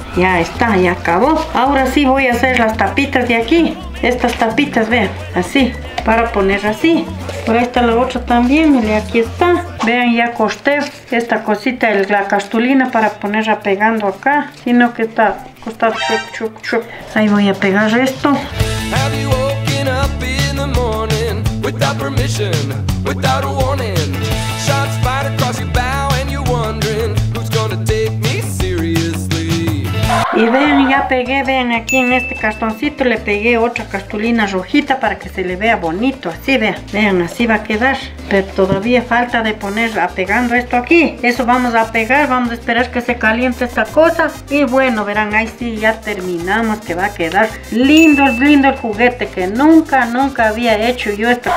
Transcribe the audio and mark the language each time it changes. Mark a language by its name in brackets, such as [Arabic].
[Spanish] Ya está, ya acabó. Ahora sí voy a hacer las tapitas de aquí. Estas tapitas, vean, así. Para poner así. Por ahí está la otra también, mire, aquí está. Vean, ya corté esta cosita, la cartulina, para ponerla pegando acá. Sino que está costado. Ahí voy a pegar esto. [English] Have you woken up in the morning without permission, without a warning? Shots fired across your bow and you're wondering who's gonna take me seriously. [Spanish] Y vean, ya pegué, vean, aquí en este cartoncito le pegué otra cartulina rojita para que se le vea bonito, así, vean. Vean, así va a quedar. Pero todavía falta de poner, apegando esto aquí. Eso vamos a pegar, vamos a esperar que se caliente esta cosa. Y bueno, verán, ahí sí ya terminamos, que va a quedar lindo, lindo el juguete que nunca, nunca había hecho yo esto.